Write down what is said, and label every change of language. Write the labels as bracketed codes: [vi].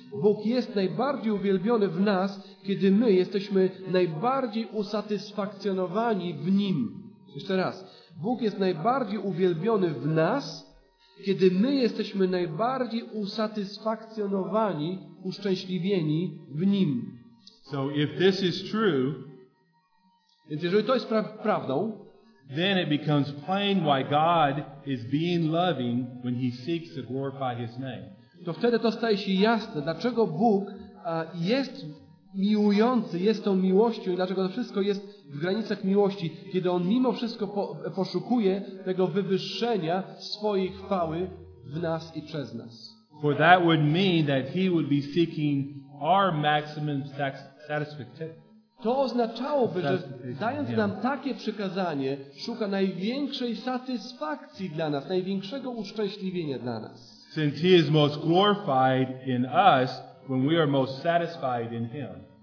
[pl] Bóg jest najbardziej uwielbiony w nas, kiedy my jesteśmy najbardziej usatysfakcjonowani w Nim. Jeszcze raz. Bóg jest najbardziej uwielbiony w nas, kiedy my jesteśmy najbardziej usatysfakcjonowani, uszczęśliwieni w Nim. [en] So if this is true, [pl] więc jeżeli to jest prawdą, [en] then it becomes plain why God is being loving when He seeks to glorify His name. [pl] To wtedy to staje się jasne, dlaczego Bóg jest miłujący jest tą miłością i dlaczego to wszystko jest w granicach miłości, kiedy on mimo wszystko poszukuje tego wywyższenia swojej chwały w nas i przez nas. [en] For that would mean that he would be seeking our maximum satisfaction. [pl] To oznaczałoby, że dając nam takie przykazanie, szuka największej satysfakcji dla nas, największego uszczęśliwienia dla nas. [en] Since he is most glorified in us when we are most satisfied in him.